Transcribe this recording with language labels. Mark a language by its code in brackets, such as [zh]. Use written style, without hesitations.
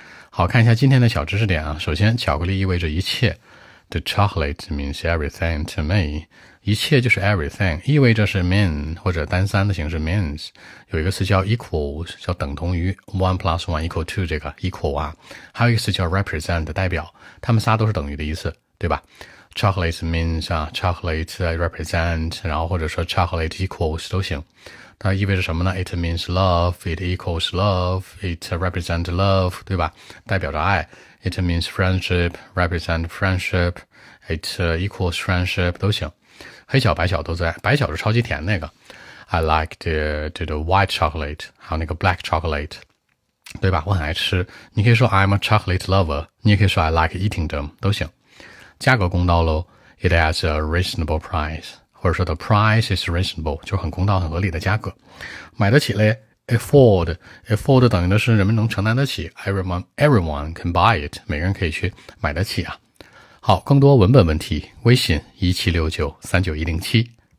[zh] 好，看一下今天的小知识点啊。首先巧克力意味着一切。 [en] The chocolate means everything to me. [zh] 一切就是 everything, 意味着是 mean, 或者单三的形式 means, 有一个词叫 equals, 叫等同于 [en] one plus one equal two [zh] 这个 equal 啊，还有一个词叫 represent, 代表，他们仨都是等于的意思，对吧？ [en] Chocolate means, chocolate represent, 然后或者说 chocolate equals 都行。它意味着什么呢？It means love, it equals love, it represents love, [zh] 对吧？代表着爱。 [en] It means friendship, represent friendship, it equals friendship, 都行。 [zh] 黑巧白巧都在，白巧是超级甜那个。 [en] I like the white chocolate, 还有那个 black chocolate, 对吧？ [zh] 我很爱吃。 [en] 你可以说 I'm a chocolate lover, 你也可以说 I like eating them, 都行。价格公道喽 ，It has a reasonable price， 或者说 the price is reasonable， [zh] 就很公道、很合理的价格，买得起嘞。 Afford 等于的是人们能承担得起 ， [en] everyone can buy it， [zh] 每个人可以去买得起啊。好，更多文本问题，微信17693910。